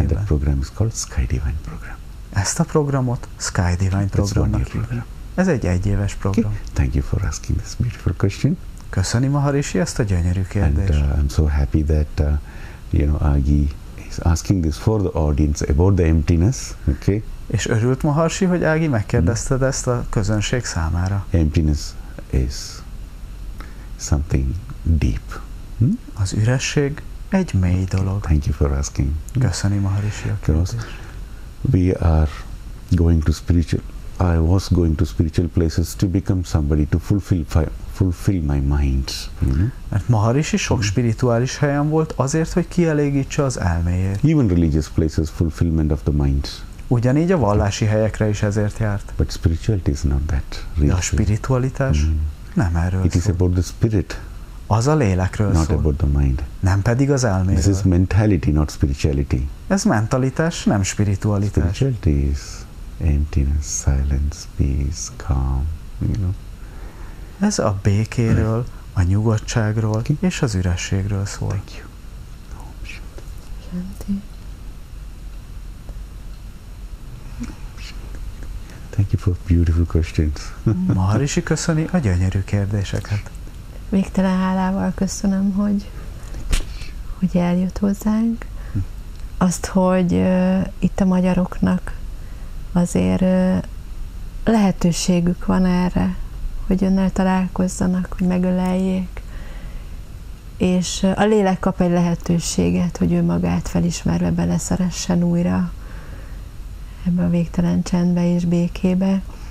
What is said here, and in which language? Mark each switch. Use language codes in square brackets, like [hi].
[en] And that program is called Sky Divine Program. [hu] Ezt a programot Sky Divine programnak hívjuk. Ez egy egyéves program. [en] Okay. Thank you for asking this beautiful question. [hu] Köszöni Maharishi ezt a gyönyörű kérdést. [en] And I'm so happy that you know Agi is asking this for the audience about the emptiness, okay? [hu] És örült Maharishi, hogy Agi megkérdezted ezt a közönség számára. [en] Emptiness is something deep. [hu] Az üresség egy mély dolog. [en] Thank you for asking. [hu] Köszöni Maharishi a kérdést. [en] We are going to spiritual. I was going to spiritual places to become somebody to fulfill my mind. [hu] Mert Maharishi sok spirituális helyen volt azért, hogy kielégítse az elméjét. [en] Even religious places fulfillment of the mind. [hu] Ugyanígy a vallási helyekre is ezért járt. [en] But spirituality is not that. [hu] Really. De a spiritualitás nem erről [en] szól. It is about the spirit. [hu] Az a lélekről [en] not [hu] szól. [en] Not about the mind. [hu] Nem pedig az elméről. [en] This is mentality, not spirituality. [hu] Ez mentalitás, nem spiritualitás. [en] Spirituality is emptiness, silence, peace, calm, you know. [hu] Ez a békéről, a nyugodtságról és az ürességről szól. [en] Thank you. [sa] Shanti. [en] Thank you for beautiful questions. [hu] Maharishi köszöni a gyönyörű kérdéseket. Végtelen hálával köszönöm, hogy eljött hozzánk. Azt, hogy itt a magyaroknak azért lehetőségük van erre, hogy önnel találkozzanak, hogy megöleljék, és a lélek kap egy lehetőséget, hogy ő magát felismerve beleszeressen újra ebbe a végtelen csendbe és békébe.